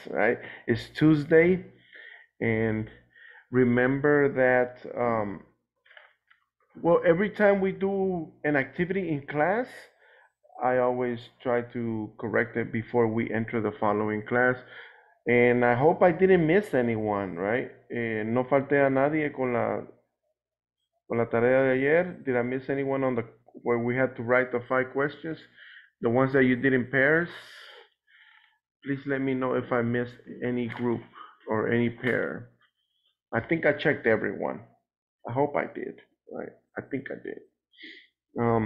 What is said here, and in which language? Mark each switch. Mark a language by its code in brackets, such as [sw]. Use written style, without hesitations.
[en] Right? It's Tuesday, and remember that. Well, every time we do an activity in class, I always try to correct it before we enter the following class. And I hope I didn't miss anyone, right? [es] No falté a nadie con la tarea de ayer. [en] Did I miss anyone on the where we had to write the 5 questions? The ones that you did in pairs? Please let me know if I missed any group or any pair. I think I checked everyone. I hope I did, right? I think I did.